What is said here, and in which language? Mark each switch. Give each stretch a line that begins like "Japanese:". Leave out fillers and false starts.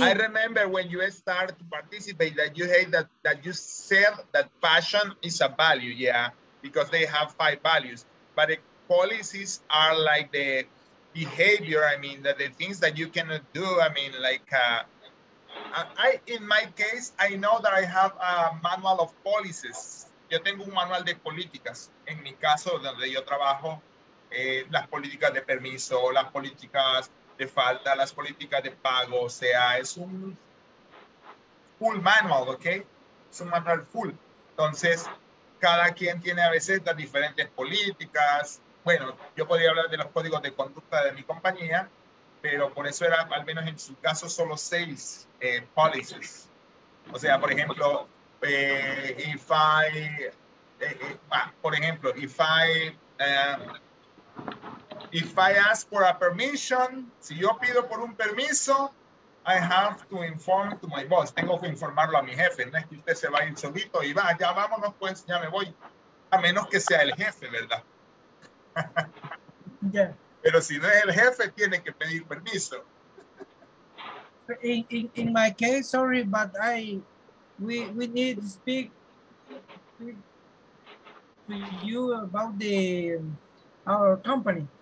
English: I remember when you started to participate that you hate that you said that passion is a value. Yeah. Because they have five values, but the policies are like the behavior, I mean, that the things that you cannot do, I mean, like, in my case, I know that I have a manual of policies.
Spanish: Yo tengo un manual de políticas. En mi caso, donde yo trabajo, las políticas de permiso, las políticas de falta, las políticas de pago, o sea, es un full manual, okay? Es un manual full. Entonces, cada quien tiene a veces las diferentes políticas. Bueno, yo podría hablar de los códigos de conducta de mi compañía, pero por eso era, al menos en su caso, solo seis policies. O sea, por ejemplo,
English: if I ask for a permission,
Spanish: si yo pido por un permiso,
English: I have to inform to my boss.
Spanish: Tengo que informarlo a mi jefe. No es que usted se va a ir solito y va, ya vámonos pues, ya me voy. A menos que sea el jefe, ¿verdad?
English: Yeah.
Spanish: Pero si no es el jefe, tiene que pedir permiso.
English: In my case, sorry, but we need to speak to you about the our company.